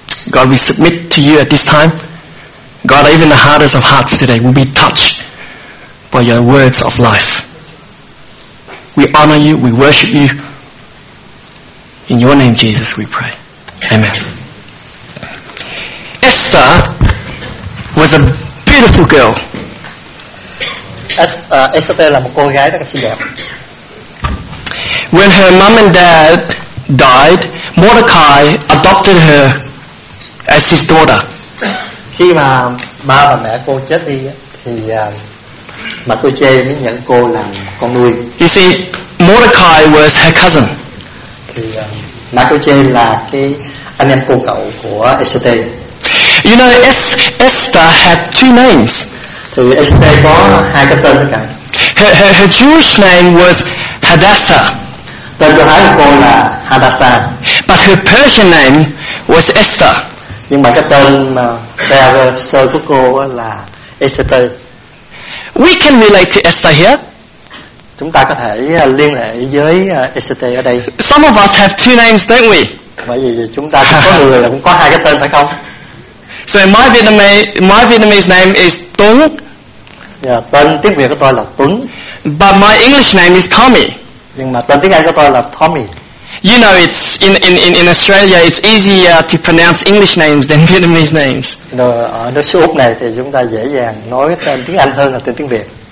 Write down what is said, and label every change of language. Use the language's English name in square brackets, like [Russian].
[English] God, we submit to you at this time. God, even the hardest of hearts today will be touched by your words of life. We honor you, we worship you. In your name, Jesus, we pray. Amen. Esther was a beautiful girl. [Vietnamese] Esther là một cô gái rất xinh đẹp. [English] When her mom and dad died, Mordecai adopted her as his daughter. [Vietnamese] Khi mà ba và mẹ cô chết đi thì Mardochê mới nhận cô làm con nuôi. [English] You see, Mordecai was her cousin. [Vietnamese] Thì Mardochê là cái anh em cô cậu của Esther. [English] You know, Esther had two names. [Vietnamese] Thì Esther có hai cái tên cả. [English] Her Jewish name was Hadassah. [Vietnamese] Tên của cô là Hadassah. [English] But her Persian name was Esther. [Vietnamese] Nhưng mà cái tên sơ của cô là Esther. [English] We can relate to Esther here. [Vietnamese] Chúng ta có thể liên hệ với Esther ở đây. [English] Some of us have two names, don't we? [Vietnamese] Bởi vì chúng ta cũng có người là cũng có hai cái tên phải không? [English] So my Vietnamese name is Tuấn. [Vietnamese] Yeah, tên tiếng Việt của tôi là Tuấn. [English] But my English name is Tommy. [Vietnamese] Nhưng mà tên tiếng Anh của tôi là Tommy. [English] You know, it's in Australia, it's easier to pronounce English names than Vietnamese names. [Vietnamese] Ở nước xứ Úc này thì chúng ta dễ dàng nói tên tiếng Anh hơn là tên tiếng Việt.